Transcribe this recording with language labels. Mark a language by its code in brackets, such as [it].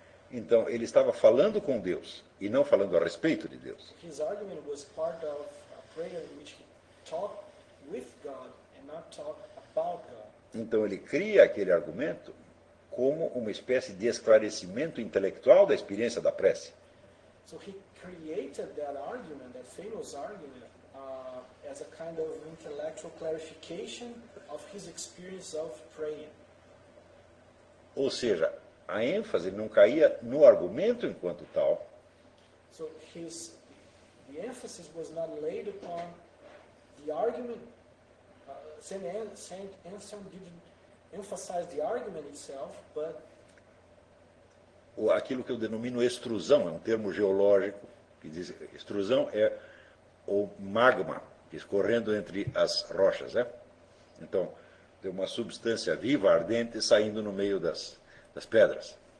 [pt] Então, ele estava falando com Deus e não falando a respeito de Deus. [en] His argument was part of a prayer in which he talked with God and not talked about God. [pt] Então, ele cria aquele argumento como uma espécie de esclarecimento intelectual da experiência da prece. [en] So he created that argument, that famous argument, as a kind of intellectual clarification of his experience of praying. [pt] Ou seja, a ênfase não caía no argumento enquanto tal. [en] So his, the emphasis was not laid upon the argument. Saint Anselm didn't emphasize the argument itself, but [pt] aquilo que eu denomino extrusão, é um termo geológico que diz extrusão é o magma escorrendo entre as rochas, né? Então, tem uma substância viva, ardente, saindo no meio das pedras.